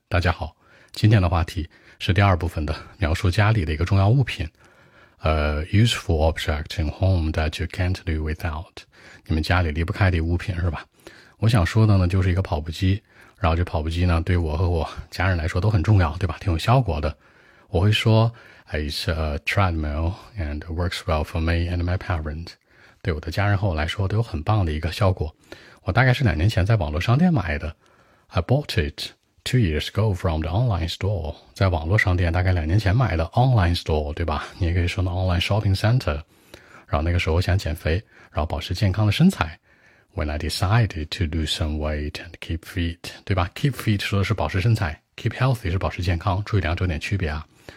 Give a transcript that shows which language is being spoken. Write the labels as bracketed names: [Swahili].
[Chinese] 大家好，今天的话题是第二部分的描述家里的一个重要物品， [English] useful object in home that you can't live without， [Chinese] 你们家里离不开的物品是吧。我想说的呢就是一个跑步机，然后这跑步机呢对我和我家人来说都很重要，对吧，挺有效果的。我会说 [English] It's a treadmill and works well for me and my parents， [Chinese] 对我的家人和我来说都有很棒的一个效果。我大概是两年前在网络商店买的， [English] I bought it 2 years ago from the online store， [Chinese] 在网络商店大概两年前买的 online store， 对吧，你也可以说 online shopping center。然后那个时候我想减肥，然后保持健康的身材， [English] When I decided to lose some weight and keep fit， [Chinese] 对吧， keep fit 说的是保持身材， keep healthy 是保持健康，注意两者有点区别啊。